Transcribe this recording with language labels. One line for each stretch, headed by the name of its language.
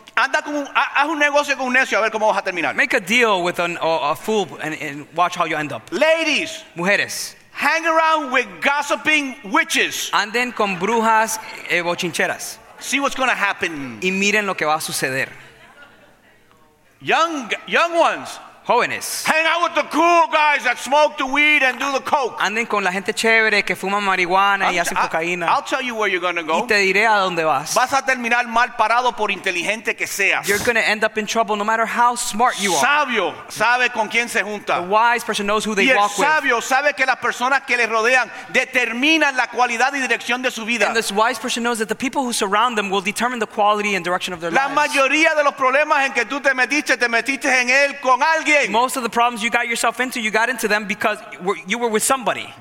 Spanish: Anda con haz un negocio con un necio a ver cómo vas a terminar.
English: Make a deal with a fool and watch how you end up. Ladies.
Spanish: Mujeres.
English: Hang around with gossiping witches.
Spanish: Anden con brujas bochincheras.
English: See what's going to happen.
Spanish: Y miren lo que va a suceder.
English: Young ones,
Spanish: jóvenes.
English: Hang out with the cool guys that smoke the weed and do the coke.
Spanish: Anden con la gente chévere que fuma marihuana y hacen cocaína.
English: I'll tell you where you're gonna go.
Spanish: Y te diré a dónde vas. Vas a terminar mal parado por inteligente que seas.
English: You're gonna end up in trouble no matter how smart you are.
Spanish: Sabio sabe con quién se junta.
English: The wise person knows who they walk with.
Spanish: Y el sabio sabe que las personas que le rodean determinan la cualidad y dirección de su vida.
English: And this wise person knows that the people who surround them will determine the quality and direction of their lives.
Spanish: La mayoría de los problemas en que tú te metiste en él con alguien.
English: Most of the problems you got yourself into, you got into them because you were with somebody.